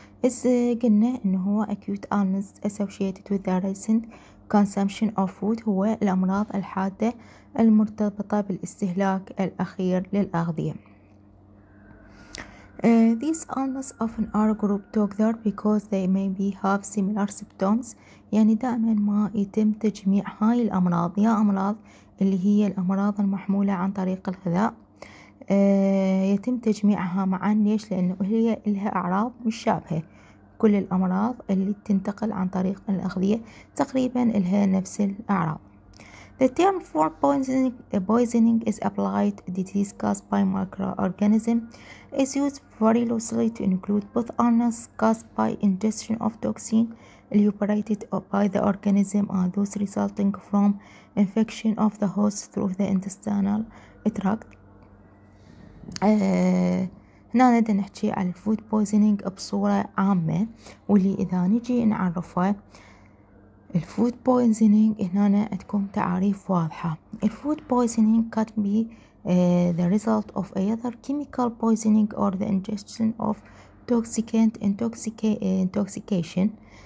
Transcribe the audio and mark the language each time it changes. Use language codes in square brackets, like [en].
[ar] اذا قلنا انه هو [en] acute illness associated with the recent consumption of food، [ar] هو الامراض الحادة المرتبطة بالاستهلاك الاخير للاغذية. [en] These illness often are grouped together because they maybe have similar symptoms. [ar] يعني دائما ما يتم تجميع هاي الأمراض، يا أمراض اللي هي الأمراض المحمولة عن طريق الغذاء يتم تجميعها معا. ليش؟ لأنه هي لها أعراض مشابهة، كل الأمراض اللي تنتقل عن طريق الأغذية تقريبا لها نفس الأعراض. [en] The term for poisoning is applied. Disease caused by microorganism is used very loosely to include both illness caused by ingestion of toxin liberated by the organism and those resulting from infection of the host through the intestinal tract. [ar] هنا نقدر نحكي على food poisoning بصورة عامة، واللي إذا نجي نعرفها الفود بويزنينج هنا عندكم تعريف واضحة. الفود بويزنينج كان بي [en] the result of either chemical poisoning or the ingestion of toxicant intoxication.